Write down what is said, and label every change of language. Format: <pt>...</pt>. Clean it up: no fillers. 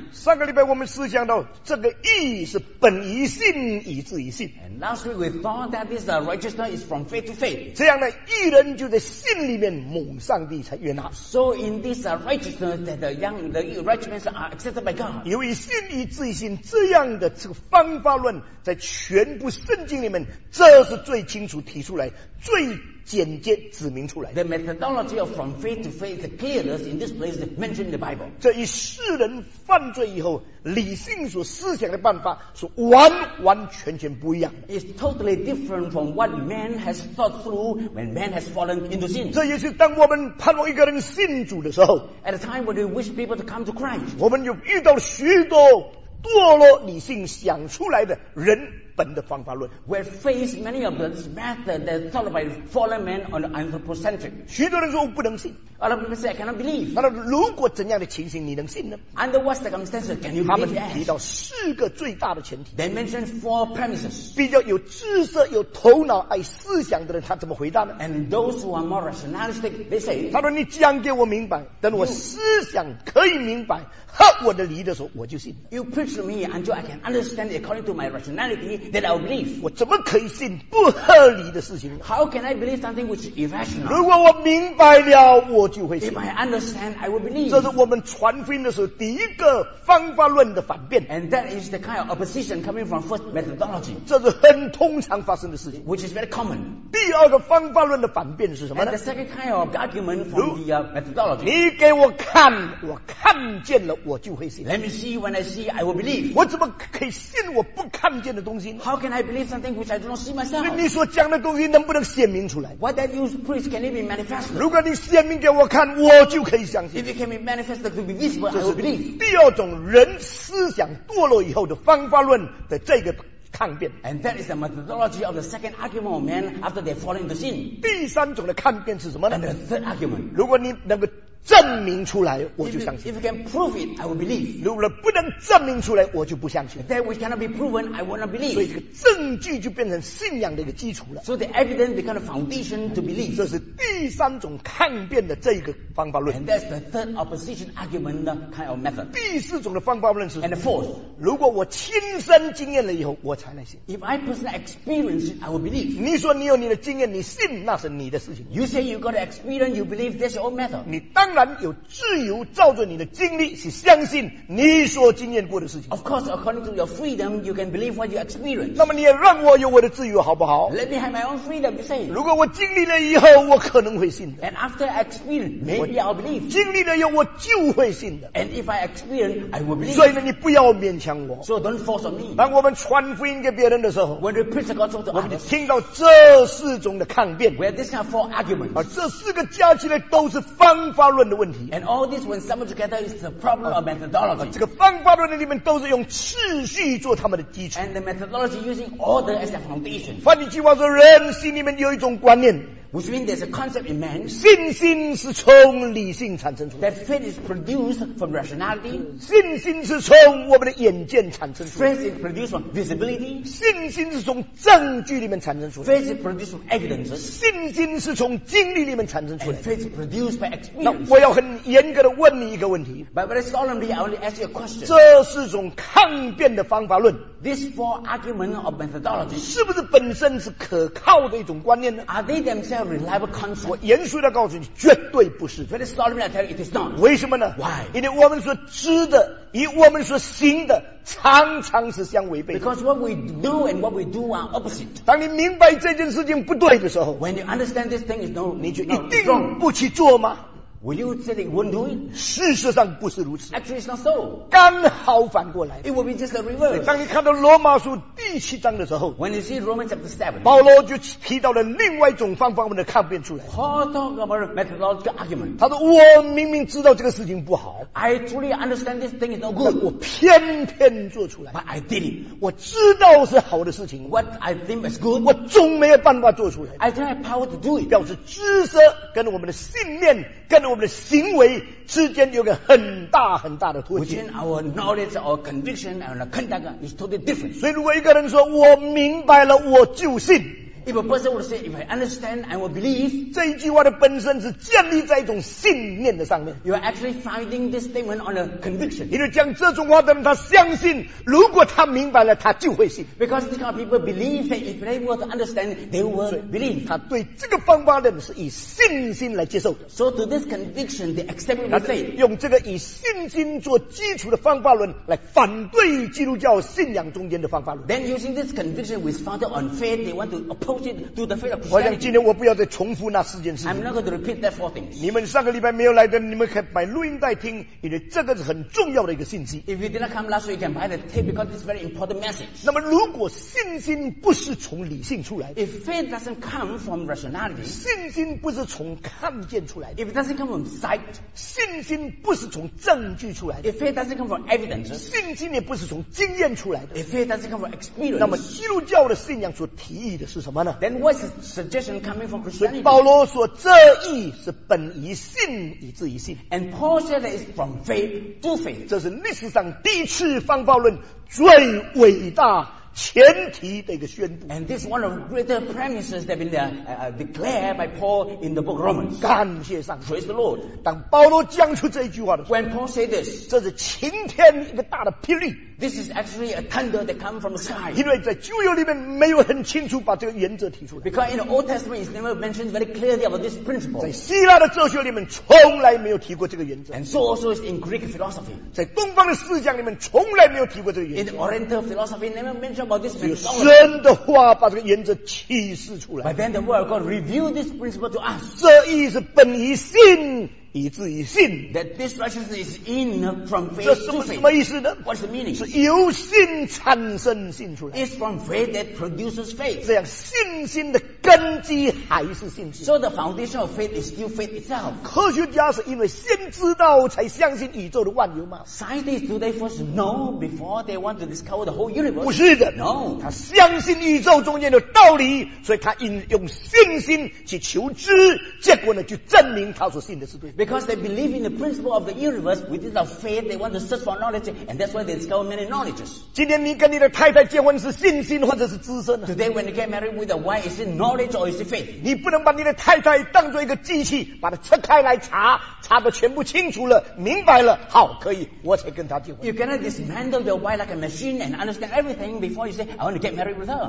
<zh>上个礼拜我们思想到这个义是本于信，以至于信。</zh> <en>And last week we thought that this righteousness is from faith to faith.</en> <zh>这样呢，义人就在信里面蒙上帝才悦纳。</zh> <en>So in this righteousness, that the righteousness are accepted by God.</en> <zh>由于信以至于信这样的这个方法论，在全部圣经里面，这是最清楚提出来最。简洁指明出来。</zh> <en>The methodology of from faith to faith, the clearness in this place is mentioned in the Bible.</en> <zh>这一世人犯罪以后，理性所思想的办法是完完全全不一样的。</zh> <en>It's totally different from what man has thought through when man has fallen into sin.</en> <zh>这也是当我们盼望一个人信主的时候。</zh> <en>At a time when we wish people to come to Christ.</en> <zh>我们就遇到了许多堕落理性想出来的人。本的方法论</zh> <en>we face many of the methods that thought by fallen men on anthropocentric.</en> <zh>许多人说我不能信</zh> <en>A lot of people say I cannot believe.</en> <zh>那如果怎样的情形你能信呢</zh> <en>Under what circumstances can you believe?</en> <zh>他们提到四个最大的前提</zh> <en>They mention four premises.</en> <zh>比较有知识、有头脑、爱思想的人，他怎么回答呢</zh> <en>And those who are more rationalistic, they say.</en> <zh>他说你讲给我明白，等我思想可以明白和我的理的时候，我就信。</zh> <en>You preach to me until I can understand according to my rationality. That I believe.</en> <zh>我怎么可以信不合理的事情</zh> <en>How can I believe something which is irrational?</en> <zh>如果我明白了，我就会信。</zh> <en>If I understand, I will believe.</en> <zh>这是我们传福音的时候第一个方法论的反辩。</zh> <en>And that is the kind of opposition coming from first methodology.</en> <zh>这是很通常发生的事情。</zh> <en>Which is very common.</en> <zh>第二个方法论的反辩是什么呢</zh> <en>And the second kind of argument from the methodology.</en> <zh>你给我看，我看见了，我就会信。</zh> <en>Let me see when I see, I will believe.</en> <zh>我怎么可以信我不看见的东西？</zh> <en>How can I believe something which I do not see myself?</en> <zh>你所讲的东西能不能显明出来</zh> <en>What that you preach, can it be manifested?</en> <zh>如果你显明给我看我就可以相信</zh> <en>If it can be manifested to be visible, I will believe</en> <zh>第二种人思想堕落以后的方法论的这个抗辩</zh> <en>And that is the methodology of the second argument of man after they fall into sin</en> <zh>第三种的抗辩是什么呢</zh> <en>And the third argument</en> <zh>如果你能够证明出来，我就相信。</zh> <en>If you can prove it, I will believe.</en> <zh>如果不能证明出来，我就不相信。</zh> <en>That which cannot be proven, I will not believe.</en> <zh>所以这个证据就变成信仰的一个基础了。</zh> <en>So the evidence becomes a foundation to believe.</en> <zh>这是第三种抗辩的这一个方法论。</zh> <en>And that's the third opposition argument kind of method.</en> <zh>第四种的方法论是。</zh> <en>And the fourth.</en> <zh>如果我亲身经验了以后，我才能信。</zh> <en>If I personally experience it, I will believe.</en> <zh>你说你有你的经验，你信那是你的事情。</zh> <en>You say you got experience, you believe this old method.</en> <zh>你当然有自由照着你的经历去相信你所经验过的事情。</zh> <en>Of course, according to your freedom, you can believe what you experience.</en> <zh>那么你也让我有我的自由，好不好</zh> <en>？Let me have my own freedom. You say.</en> <zh>如果我经历了以后，我可能会信的。</zh> <en>And after I experience, maybe I'll believe.</en> <zh>经历了以后，我就会信的。</zh> <en>And if I experience, I will believe.</en> <zh>所以呢，你不要勉强我。</zh> <en>So don't force on me.</en> <zh>当我们传福音给别人的时候</zh> <en>，When we preach the gospel to others,</en> <zh>听到这四种的抗辩</zh> <en>，Where these are four arguments.</en> <zh>而这四个加起来都是方法论的。问题</zh> <en>And all this when summed together is the problem of methodology.</en> <zh>这个方法论里面都是用次序做他们的基础</zh> <en>And the methodology using order as the foundation.</en> <zh>换句话说，人心里面有一种观念</zh> <en>Which means there's a concept in man.</en> <zh>信心是从理性产生出来</zh> <en>That faith is produced from rationality.</en> <zh>信心是从我们的眼见产生出来</zh> <en>Faith is produced from visibility.</en> <zh>信心是从证据里面产生出来</zh> <en>Faith is produced from evidence.</en> <zh>信心是从经历里面产生出来</zh> <en>And faith is produced by experience.</en> <zh>我要很严格的问你一个问题</zh> <en>But very solemnly, I only ask you a question.</en> <zh>这是种抗辩的方法论</zh> <en>This four argument of methodology</en> <zh>是不是本身是可靠的一种观念呢</zh> <en>Are they themselves reliable concepts?</en> <zh>我严肃地告诉你绝对不是</zh> <en>Very solemnly, I tell you it is not.</en> <zh>为什么呢</zh> <en>Why?</en> <zh>因为我们所知的与我们所行的常常是相违背的。</zh> <en>Because what we know and what we do are opposite.</en> <zh>当你明白这件事情不对的时候</zh> <en>When you understand this thing is no,</en> <zh>你就一定不去做吗</zh> <en>Will you say that you won't do it?</en> <zh>事实上不是如此。</zh> <en>Actually, it's not so.</en> <zh>刚好反过来。</zh> <en>It will be just the reverse.</en> <zh>当你看到罗马书第七章的时候</zh> <en>，When you see Romans chapter seven,</en> <zh>保罗就提到了另外一种方法论的抗辩出来。</zh> <en>Paul talk about methodological argument.</en> <zh>他说我明明知道这个事情不好</zh> <en>，I truly understand this thing is no good.</en> <zh>我偏偏做出来。</zh> <en>But I did it.</en> <zh>我知道是好的事情</zh> <en>，What I think is good.</en> <zh>我总没有办法做出来。</zh> <en>I don't have power to do it.</en> <zh>表示知识跟我们的信念跟我们的行为之间有个很大很大的脱节。</zh> <en>Within our knowledge, our conviction, and our conduct is totally different.</en> <zh>所以，如果一个人说"我明白了，我就信"。</zh> <en>If a person would say, if I understand, I will believe.</en> <zh>这一句话的本身是建立在一种信念的上面。</zh> <en>You are actually finding this statement on a conviction.</en> <zh>你就讲这种话的人，他相信，如果他明白了，他就会信。</zh> <en>Because these kind of people believe that if they were to understand, they will believe.</en> <zh>他对这个方法的人是以信心来接受的。</zh> <en>So to this conviction, they accept it with faith.</en> <zh>用这个以信心做基础的方法论来反对基督教信仰中间的方法论。</zh> <en>Then using this conviction which is founded on faith, they want to oppose it to the faith of Christianity.</en> <zh>我想今天我不要再重复那四件事情。</zh> <en>I'm not going to repeat that four things.</en> <zh>你们上个礼拜没有来的，你们可以买录音带听，因为这个是很重要的一个信息。</zh> <en>If you did not come last week, you can buy the tape because it's a very important message.</en> <zh>那么如果信心不是从理性出来的</zh> <en>，If faith doesn't come from rationality,</en> <zh>信心不是从看见出来的</zh> <en>，If it doesn't come from sight,</en> <zh>信心不是从证据出来的</zh> <en>，If faith doesn't come from evidence,</en> <zh>信心也不是从经验出来的</zh> <en>，If faith doesn't come from experience,</en> <zh>那么基督教的信仰所提议的是什么呢</zh> <en>？Then what's the suggestion coming from Christianity?</en> <zh>所以保罗说，这义是本于信，以至于信。</zh> <en>And Paul said that it's from faith to faith.</en> <zh>这是历史上第一次方法论最伟大前提的一个宣布。</zh> <en>And this is one of the greater premises that been declared by Paul in the book Romans.</en> <zh>感谢上帝。</zh> <en>Praise the Lord.</en> <zh>当保罗讲出这一句话的时候</zh> <en>，When Paul said this，</en> <zh>这是晴天一个大的霹雳。</zh> <en>This is actually a thunder that comes from the sky.</en> <zh>因为在旧约里面没有很清楚把这个原则提出来。</zh> <en>Because in the Old Testament, it's never mentioned very clearly about this principle.</en> <zh>在希腊的哲学里面从来没有提过这个原则。</zh> <en>And so also is in Greek philosophy.</en> <zh>在东方的思想里面从来没有提过这个原则。</zh> <en>In Oriental philosophy, never mentioned about this principle.</en> <zh>只有神的话把这个原则启示出来。</zh> <en>But then the word of God revealed this principle to us.</en> <zh>这义是本于信。以至于信</zh> <en>that this righteousness is in from faith</en> <zh>这什么</zh> <en>to faith.</en> <zh>什么意思呢</zh> <en>What's the meaning?</en> <zh>是由信产生信出来</zh> <en>It's from faith that produces faith</en> <zh>这样信心的根基还是信心</zh> <en>So the foundation of faith is still faith itself</en> <zh>科学家是因为先知道才相信宇宙的万有吗</zh> <en>Scientists do they first know before they want to discover the whole universe</en> <zh>不是的</zh> <en>No</en> <zh>他相信宇宙中间的道理所以他用信心去求知结果呢就证明他所信的是对的</zh> <en>Because they believe in the principle of the universe, which is of faith, they want to search for knowledge, and that's why they discover many knowledges.</en> <zh>今天你跟你的太太结婚是信心或者是知识呢</zh> <en>？Today, when you get married with a wife, is it knowledge or is it faith?</en> <zh>你不能把你的太太当作一个机器，把它拆开来查，查的全部清楚了，明白了，好，可以，我才跟她结婚。</zh> <en>You cannot dismantle your wife like a machine and understand everything before you say, I want to get married with her.</en>